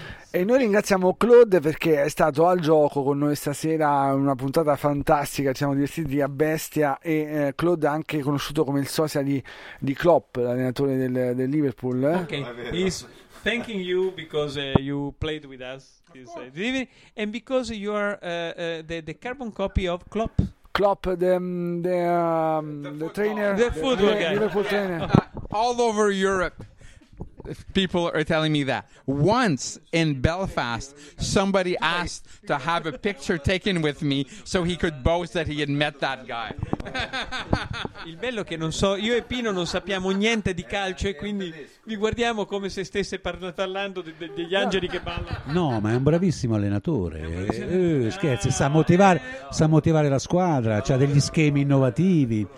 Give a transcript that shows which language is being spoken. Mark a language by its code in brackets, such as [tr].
[it] E noi ringraziamo Claude perché è stato al gioco con noi stasera, una puntata fantastica, ci siamo divertiti a bestia. E Claude è anche conosciuto come il sosia di Klopp, l'allenatore del Liverpool. [en] Okay. He's thanking you because you played with us and because you are the carbon copy of Klopp. Klopp, the trainer, the football guy, Liverpool trainer. All over Europe. People are telling me that once in Belfast somebody asked to have a picture taken with me so he could boast that he had met that guy. [it] Il bello che non so, io e Pino non sappiamo niente di calcio e quindi vi guardiamo come se stesse parlando degli angeli che ballano. No, ma è un bravissimo allenatore. Scherzi, sa motivare la squadra, c'ha degli schemi innovativi.